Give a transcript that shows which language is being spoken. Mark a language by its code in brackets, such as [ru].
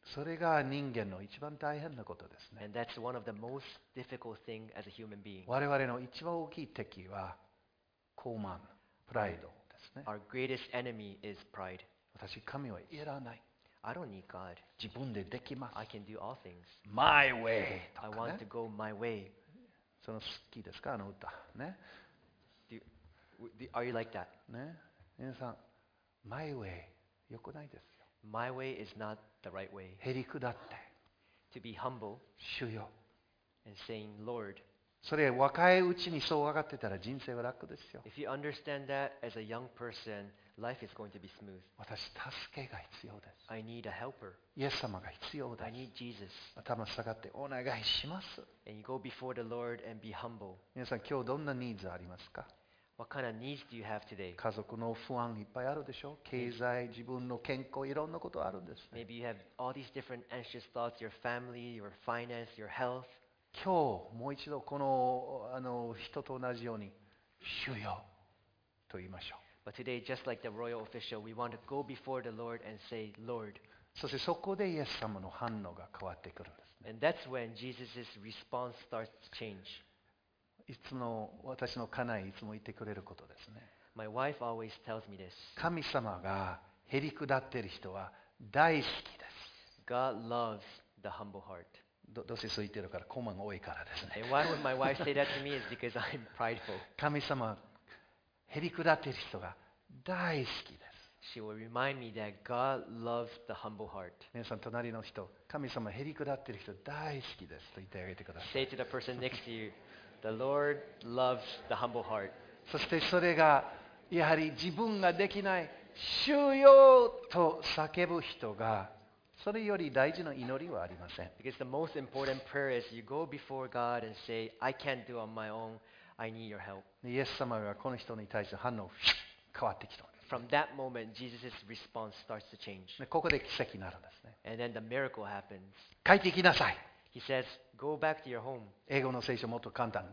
[ja] それが人間の一番大変なことですね。 [en] And that's one of the most difficult thing as a human being. [ja] 我々の一番大きい敵は傲慢、プライドですね。 [en] Our greatest enemy is pride. [ja] 私、神はいらない。 [en] I don't need God. [ja] 自分でできます。 [en] I can do all things. My way! [ja] とかね。 [en] I want to go my way. [ja] その好きですか、あの歌。ね。 [en] Are you like that? [ja] ね。皆さん、My way 良くないですよ。 [en] My way is not the right way. [ja] へりくだって。 [en] To be humble. [ja] 主よ。 [en] And saying Lord. [ja] それ若いうちにそう分かってたら人生は楽ですよ。 [en] If you understand that as a young person, life is going to be smooth. [ja] 私助けが必要です。 [en] I need a helper. [ja] イエス様が必要です。 [en] I need Jesus. [ja] 頭下がってお願いします。 [en] And you go before the Lord and be humble. [ja] 皆さん今日どんなニーズありますか？ [en] What kind of needs do you have today? [ja] 家族の不安いっぱいあるでしょ。経済、自分の健康、いろんなことあるんです、ね。 [en] Maybe you have all these different anxious thoughts: your family, your finance, your health. [ja] 今日もう一度この人と同じように主よと言いましょう。 [en] But today, just like the royal official, we want to go before the Lord and say, Lord. [ja] そしてそこでイエス様の反応が変わってくるんです、ね。 [en] And that's when Jesus' response starts to change. [ja] いつも私の家内いつも言ってくれることですね。 [en] My wife always tells me this. [ja] 神様がへりくだっている人は大好きです。 [en] God loves the humble heart. [ja] どうせそう言ってるから傲慢が多いからですね。 [en] And why would my wife say that to me is because I'm prideful. [ja] 神様はへりくだっている人が大好きです。 [en] She will remind me that God loves the humble heart. [ja] 皆さん隣の人、神様へりくだっている人大好きですと言ってあげてください。 [en] Say to the person next to you. The Lord loves the humble heart. [ja] そしてそれがやはり自分ができない主よと叫ぶ人がそれより大事な祈りはありません。 [en] Because the most important prayer is you go before God and say, I can't do it on my own. I need your help. [ja] イエス様がこの人に対する反応が変わってきた。 [en] From that moment, Jesus' response starts to change. [ja] でここで奇跡になるんですね。 [en] And then the miracle happens. [ja] 帰っていきなさい。 [en] He says, go back to your home. [ja] 英語の聖書もっと簡単。